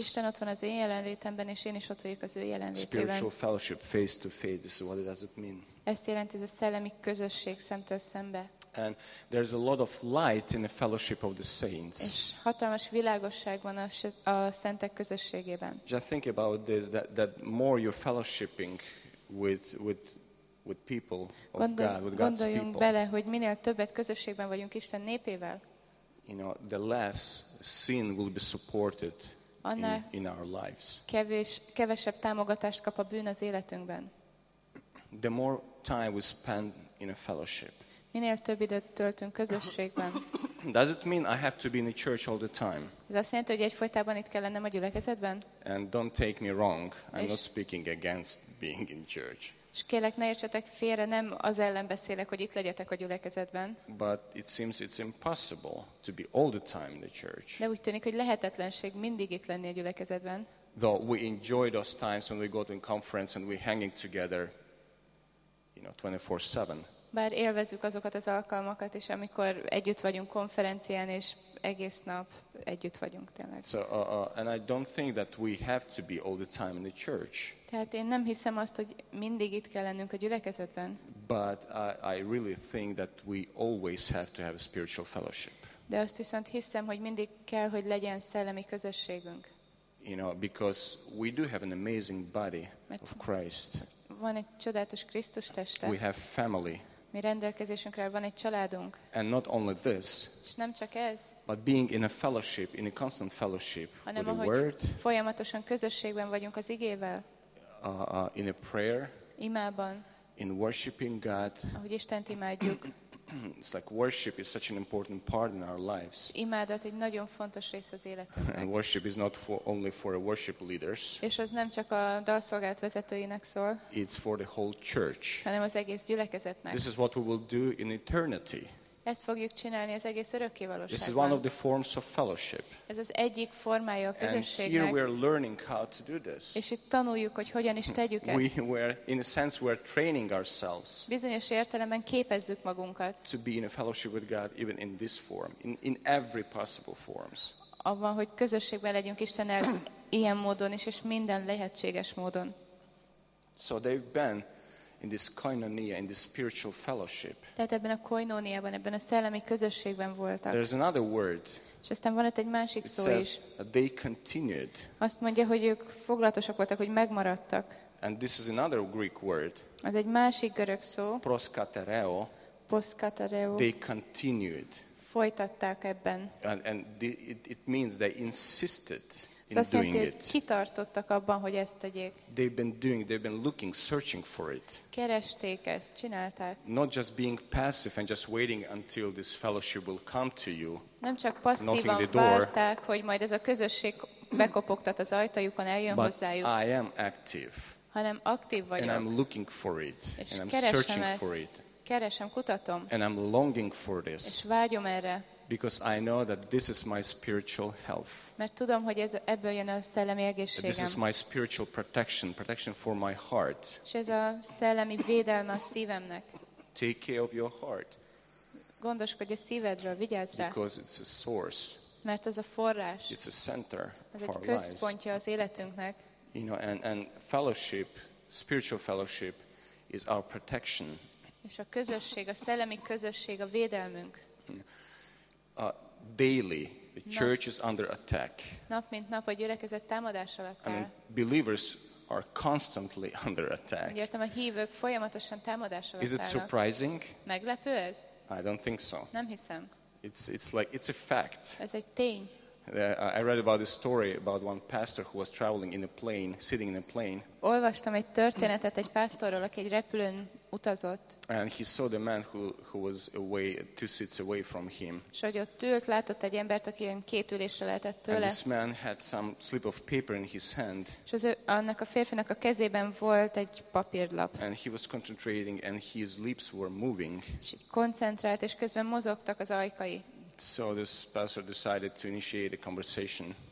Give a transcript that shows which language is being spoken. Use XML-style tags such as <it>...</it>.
<hu>Isten ott van az én jelenlétemben, és én is ott vagyok az ő jelenlétében.</hu> <en>Spiritual fellowship, face to face, this is what it does it mean.</en> <hu>Ezt jelent ez a szellemi közösség szemtől szembe.</hu> <en>And there's a lot of light in the fellowship of the saints.</en> <hu>És hatalmas világosság van a szentek közösségében.</hu> <en>Just think about this, that more you're fellowshipping with people of God, with God's people.</en> <hu>Gondoljunk bele, hogy minél többet közösségben vagyunk Isten népével.</hu> <en>You know, the less sin will be supported in our lives.</en> <hu>Kevesebb támogatást kap a bűn az életünkben.</hu> <en>The more time we spend in a fellowship.</en> <hu>Minél több időt töltünk közösségben.</hu> <en>Does it mean I have to be in the church all the time?</en> <hu>Ez azt jelenti, hogy egyfolytában itt kell lennem a gyülekezetben?</hu> <en>And don't take me wrong, I'm not speaking against being in church.</en> <hu>És kérlek, ne értsetek félre, nem az ellen beszélek, hogy itt legyetek a gyülekezetben.</hu> <en>But it seems it's impossible to be all the time in the church.</en> <hu>De úgy tűnik, hogy lehetetlenség mindig itt lenni a gyülekezetben.</hu> <en>Though we enjoy those times when we go to a conference and we're hanging together, you know, 24/7.</en> <hu>Bár élvezzük azokat az alkalmakat, és amikor együtt vagyunk konferencián, és egész nap együtt vagyunk tényleg.</hu> <en>So, and I don't think that we have to be all the time in the church.</en> <hu>Tehát én nem hiszem azt, hogy mindig itt kell lennünk a gyülekezetben.</hu> <en>But I really think that we always have to have a spiritual fellowship.</en> <hu>De azt viszont hiszem, hogy mindig kell, hogy legyen szellemi közösségünk.</hu> <en>You know, because we do have an amazing body of Christ.</en> <hu>Van egy csodálatos Krisztus teste.</hu> <en>We have family.</en> <hu>Mi rendelkezésünkre van egy családunk.</hu> <en>And not only this.</en> <hu>És nem csak ez.</hu> <en>But being in a fellowship, in a constant fellowship</en> <hu>with</hu> <en>the Word.</en> <hu>Folyamatosan közösségben vagyunk az igével.</hu> <en>In a prayer.</en> <hu>Imában.</hu> <en>In worshiping God.</en> <hu>Ahogy Istent imádjuk.</hu> <en>It's like worship is such an important part in our lives.</en> <hu>Imádat egy nagyon fontos rész az életünknek.</hu> <en>And worship is not for only for a worship leaders.</en> <hu>És az nem csak a dalszolgálat vezetőinek szól.</hu> <en>It's for the whole church.</en> <hu>Hanem az egész gyülekezetnek.</hu> <en>This is what we will do in eternity.</en> <hu>Ezt fogjuk csinálni az egész örökkévalóságban.</hu> <en>This is one of the forms of fellowship.</en> <hu>Ez az egyik formája a közösségnek.</hu> <en>And here we are learning how to do this.</en> <hu>És itt tanuljuk, hogy hogyan is tegyük ezt.</hu> <en>We are training ourselves.</en> <hu>Bizonyos értelemben képezzük magunkat.</hu> <en>To be in a fellowship with God even in this form, in every possible forms.</en> <hu>Abban, hogy közösségben legyünk Istennel ilyen módon is, és minden lehetséges módon.</hu> <en>So they've been in this koinonia, in this spiritual fellowship.</en> <hu>Tehát ebben a koinóniában, ebben a szellemi közösségben voltak.</hu> <en>There's another word.</en> <hu>És aztán van ott egy másik szó is.</hu> <en>They continued.</en> <hu>Azt mondja, hogy ők foglalatosak voltak, hogy megmaradtak.</hu> <en>And this is another Greek word.</en> <hu>Az egy másik görög szó.</hu> <en>Proskatereo.</en> <hu>Proskatereo.</hu> <en>They continued.</en> <hu>Folytatták ebben.</hu> <en>And it means they insisted.</en> <hu>Azt jelenti, hogy kitartottak abban, hogy ezt tegyék.</hu> <en>They've been doing, they've been looking, searching for it.</en> <hu>Keresték ezt, csinálták.</hu> <en>Not just being passive and just waiting until this fellowship will come to you.</en> <hu>Nem csak passzívan várták, hogy majd ez a közösség bekopogtat az ajtajukon, eljön</hu> <en>but</en> <hu>hozzájuk.</hu> <en>But I am active.</en> <hu>Hanem aktív vagyok.</hu> <en>And I'm looking for it.</en> <hu>És</hu> <en>and</en> <hu>keresem</hu> <en>searching</en> <hu>ezt.</hu> <en>For it.</en> <hu>Keresem, kutatom.</hu> <en>And I'm longing for this.</en> <hu>És vágyom erre.</hu> <en>Because I know that this is my spiritual health.</en> <hu>Mert tudom, hogy ez ebből jön a szellemi egészségem.</hu> <en>This is my spiritual protection, protection for my heart.</en> <hu>És ez a szellemi védelme a szívemnek.</hu> <en>Take care of your heart.</en> <hu>Gondoskodj a szívedről, vigyázz rá.</hu> <en>Because it's a source.</en> <hu>Mert ez a forrás.</hu> <en>It's a center for our lives.</en> <hu>Ez egy központja az életünknek.</hu> <en>You know, and fellowship, spiritual fellowship is our protection.</en> <hu>És a közösség, a szellemi közösség a védelmünk.</hu> <en>Daily, the church is under attack.</en> <hu>Nap mint nap a gyülekezet támadás alatt áll.</hu> <en>I mean, believers are constantly under attack.</en> <hu>Értem, a hívők folyamatosan támadás alatt</hu> <en>is it surprising?</en> <hu>Állnak. Meglepő ez?</hu> <en>I don't think so.</en> <hu>Nem hiszem.</hu> <en>It's like it's a fact.</en> <hu>Ez egy tény.</hu> <en>I read about a story about one pastor who was traveling in a plane, sitting in a plane.</en> <hu>Olvastam egy történetet egy pásztorról, aki egy repülőn utazott.</hu> <en>And he saw the man who was away, two seats away from him.</en> <hu>És hogy ott ült, látott egy embert, aki olyan két ülésre lehetett tőle.</hu> <en>And this man had some slip of paper in his hand.</en> <hu>És az annak a férfinak a kezében volt egy papírlap.</hu> <en>And he was concentrating and his lips were moving.</en> <hu>És koncentrált, és közben mozogtak az ajkai.</hu> <en>So this pastor decided to initiate a conversation.</en>